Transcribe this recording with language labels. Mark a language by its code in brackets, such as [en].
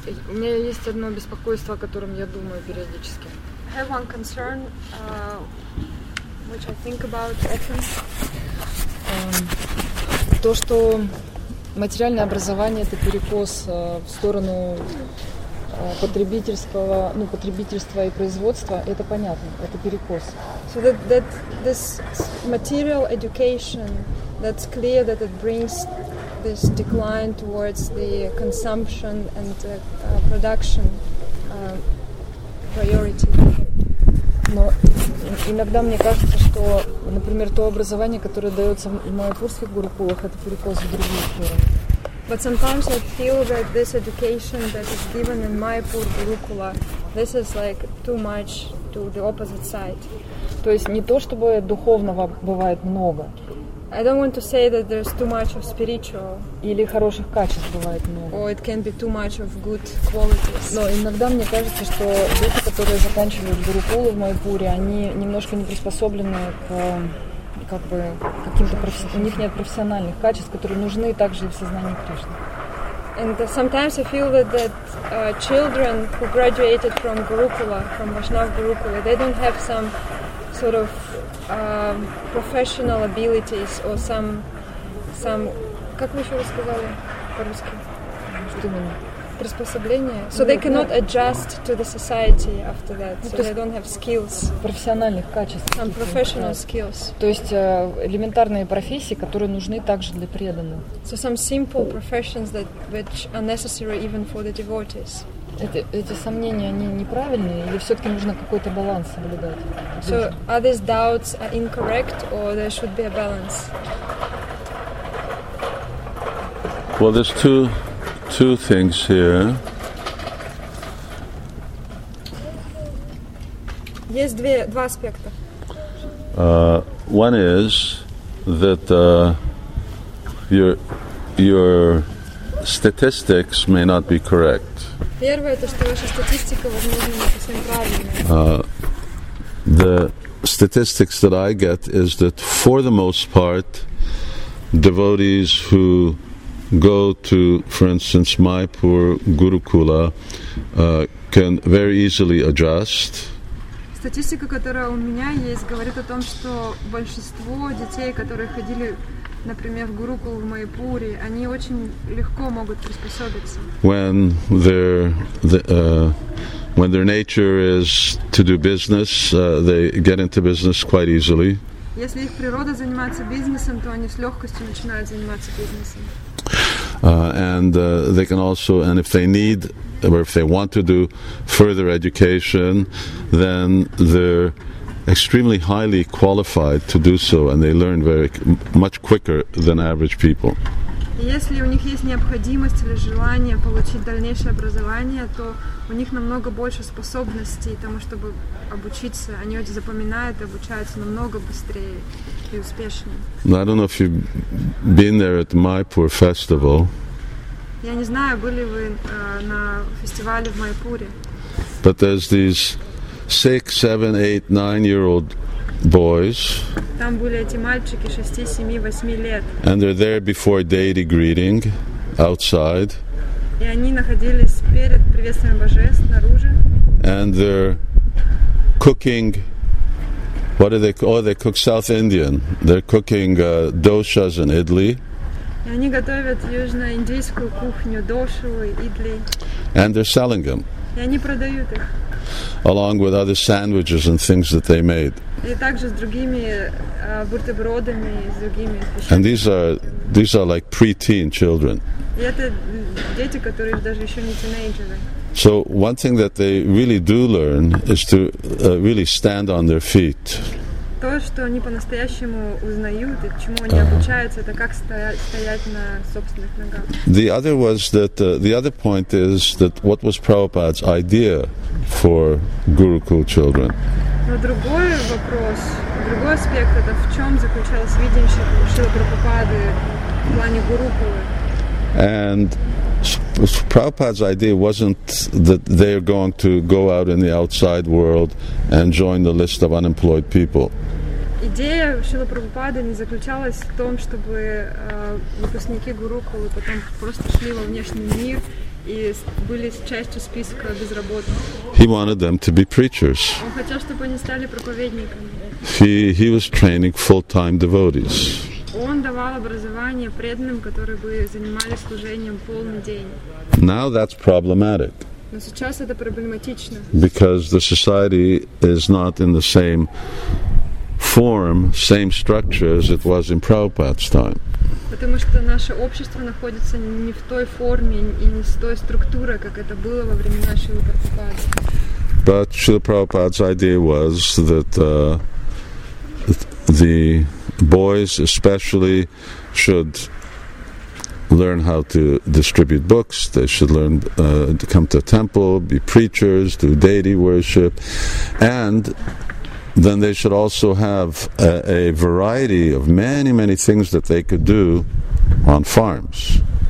[ru] У меня есть одно беспокойство, о котором я думаю периодически. [en] I have one concern which I think about often. [ru] То, что материальное образование — это перекос в сторону потребительского, ну, потребительства и производства, это понятно, это перекос. [en] So that this material education, that's clear that it brings this decline towards the consumption and production priority. [ru] Но иногда мне кажется, что, например, то образование, которое дается в майяпурских гурукулах, это перекос в другую сторону. [en] But sometimes I feel that this education that is given in Mayapur Gurukula, this is like too much to the opposite side. [ru] То есть не то, чтобы духовного бывает много. [en] I don't want to say that there's too much of spiritual. [ru] Или хороших качеств бывает много. [en] Or it can be too much of good qualities. [ru] Но иногда мне кажется, что люди, которые заканчивают Гурукулу в Майпуре, они немножко не приспособлены к как бы каким-то у них нет профессиональных качеств, которые нужны также и в сознании Кришны. [en] And sometimes I feel that children who graduated from Gurukula, from Vaishnav Gurukula, they don't have some sort of professional abilities or some [ru] как вы еще рассказали по-русски? Что именно? Приспособление. [en] So they cannot adjust to the society after that. So they don't have skills. [ru] Профессиональных качеств. [en] Some professional skills. [ru] То есть элементарные профессии, которые нужны также для преданных. [en] So some simple professions that which are necessary even for the devotees. [ru] Эти сомнения, они неправильные или все-таки нужно какой-то баланс соблюдать? [en] So are these doubts incorrect or there should be a balance? Well, there's two things here. [ru] Есть два аспекта. [en] One is that your statistics may not be correct. [ru] Первое, то, что ваша статистика, возможно, не совсем правильная. [en] The statistics that I get is that for the most part, devotees who go to, for instance, Mayapur Gurukula, can very easily adjust. [ru] Статистика, которая у меня есть, говорит о том, что большинство детей, которые ходили, например, в Гурукулу в Майпуре, они очень легко могут приспособиться. [en] When their nature is to do business, they get into business quite easily. [ru] Если их природа заниматься бизнесом, то они с легкостью начинают заниматься бизнесом. [en] They can also, and if they need or if they want to do further education, then they're extremely highly qualified to do so, and they learn very much quicker than average people. [ru] Если у них есть необходимость или желание получить дальнейшее образование, то у них намного больше способностей тому, чтобы обучиться. Они очень запоминают и обучаются намного быстрее и успешнее. [en] I don't know if you've been there at Mayapur Festival. [ru] Я не знаю, были вы на фестивале в Майпуре. [en] But there's these 6, 7, 8, 9-year-old boys. [ru] Там были эти мальчики 6, 7, 8 лет. [en] And they're there before deity greeting outside. [ru] И они находились перед приветствием божеств снаружи. [en] And they're cooking. What are they? Oh, they cook South Indian. They're cooking doshas and idli. [ru] И они готовят южноиндийскую кухню, дошу и идли. [en] And they're selling them. [ru] И они продают их. [en] Along with other sandwiches and things that they made. [ru] И также с другими бутербродами и с другими. [en] And these are like preteen children. [ru] И это дети, которые даже еще не тинейджеры. [en] So one thing that they really do learn is to really stand on their feet. [ru] То, что они по-настоящему узнают и чему они обучаются, это как стоять на собственных ногах. [en] The other was that the other point is that what was Prabhupada's idea for Gurukul children? [ru] Но другой вопрос, другой аспект, это в чем заключалось видение Шрила Прабхупады в плане Гурукулы? [en] And Prabhupada's idea wasn't that they're going to go out in the outside world and join the list of unemployed people. [ru] Идея Шрилы Прабхупады не заключалась в том, чтобы выпускники Гурукулы потом просто шли во внешний мир и были частью списка безработных. [en] He wanted them to be preachers. [ru] Он хотел, чтобы они стали проповедниками. [en] He was training full-time devotees. [ru] Он давал образование преданным, которые бы занимались служением полный день. [en] Now that's problematic. [ru] Но сейчас это проблематично. [en] Because the society is not in the same form, same structure as it was in Prabhupada's time. [ru] Потому что наше общество находится не в той форме и не с той структурой, как это было во времена Шрилы Прабхупады. [en] But Srila Prabhupada's idea was that the boys especially should learn how to distribute books, they should learn to come to a temple, be preachers, do deity worship, and then they should also have a variety of many, many things that they could do on farms.